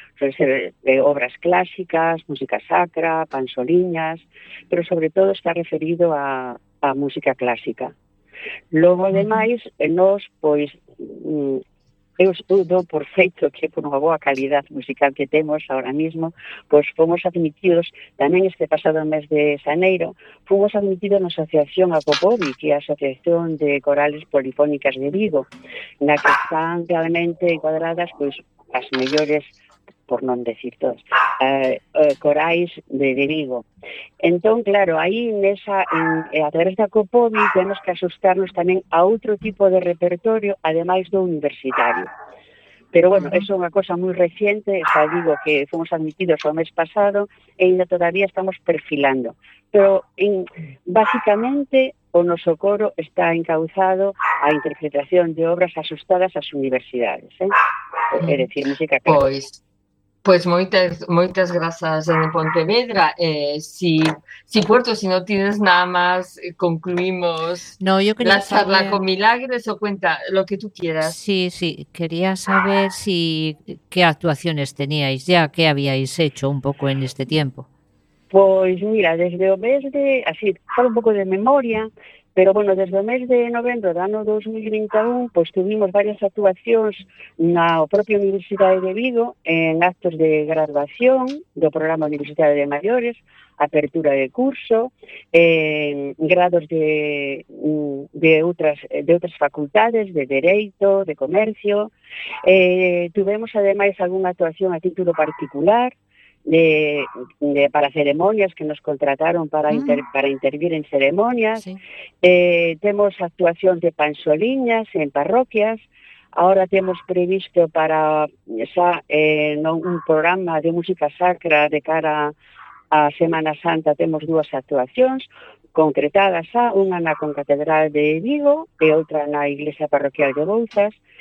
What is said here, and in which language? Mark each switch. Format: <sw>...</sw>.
<gl>Son obras clásicas, música sacra, pansoliñas, pero sobre todo está referido a música clásica. Logo, ademais, nos, pois, eu estudo por feito que por unha boa calidad musical que temos ahora mismo, pois fomos admitidos tamén este pasado mes de xaneiro, fomos admitidos na Asociación Acopobi, que é a Asociación de Corales Polifónicas de Vigo, na que están realmente encuadradas pois as mellores, por non decir todas, corais de Vigo. Entón, claro, aí a través da Acopobi temos que asustarnos tamén a outro tipo de repertorio, ademais do universitario. Pero bueno, eso é unha cosa moi reciente, xa digo que fomos admitidos o mes pasado e ainda todavía estamos perfilando. Pero, básicamente, o noso coro está encauzado á interpretación de obras asustadas ás universidades. É dicir, música clara. Pois moitas grazas en Pontevedra. Si Puerto, si non tienes nada máis, concluímos</gl> <es>la charla con Milagres, o cuenta lo que tú quieras. Sí, quería saber si qué actuaciones teníais ya, qué habíais hecho un poco en este tiempo.</es> <gl>Pois mira, desde o mes de, así, falo un poco de memoria, pero bueno, desde o mes de novembro do ano 2021, pois tuvimos varias actuacións na propia Universidade de Vigo, en actos de graduación do programa Universidade de Maiores, apertura de curso, grados de outras facultades, de Dereito, de Comercio. Tuvemos ademais alguna actuación a título particular, de para ceremonias que nos contrataron para intervir en ceremonias. Sí. Temos actuación de pansoliñas en parroquias, Ahora temos previsto para esa, un programa de música sacra de cara a Semana Santa, temos dúas actuacións concretadas, unha na Concatedral de Vigo e outra na Iglesia Parroquial de Bouzas.</gl>